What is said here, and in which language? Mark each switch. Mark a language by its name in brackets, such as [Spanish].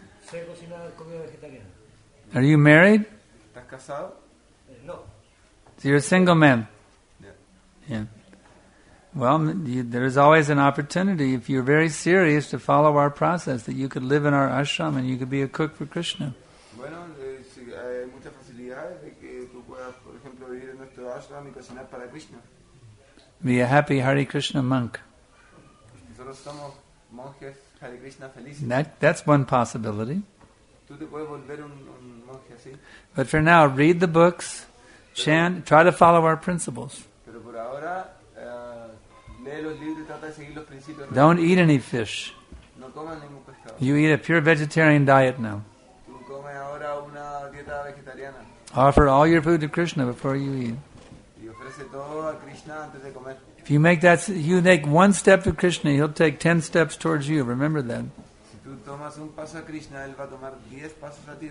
[Spanish] Sé cocinar comida vegetariana. [English] Are you married? [Spanish] ¿Estás casado? No. [English] So you're a single man. Yeah. Well, there is always an opportunity if you're very serious to follow our process that you could live in our ashram and you could be a cook for Krishna. [Spanish] Bueno, hay muchas facilidades de que tú puedas, por ejemplo, vivir en nuestro ashram y cocinar para Krishna. [English] Be a happy Hare Krishna monk. [Spanish] Nosotros somos monjes Hare Krishna felices. [English] That's one possibility. [Spanish] Tú te puedes volver un monje así. [English] But for now, read the books, chant, try to follow our principles. [Spanish] Pero por ahora, lee los libros y trata de seguir los principios. [English] Don't eat any fish. [Spanish] No coman ningún pescado. [English] You eat a pure vegetarian diet now. [Spanish] Tú come ahora una dieta vegetariana. [English] Offer all your food to Krishna before you eat. [Spanish] Y ofrece todo a Krishna antes de comer. [English] If you make that, you make one step to Krishna, he'll take 10 steps towards you. Remember that. [Spanish] Si tú tomas un paso a Krishna, él va a tomar 10 pasos a ti.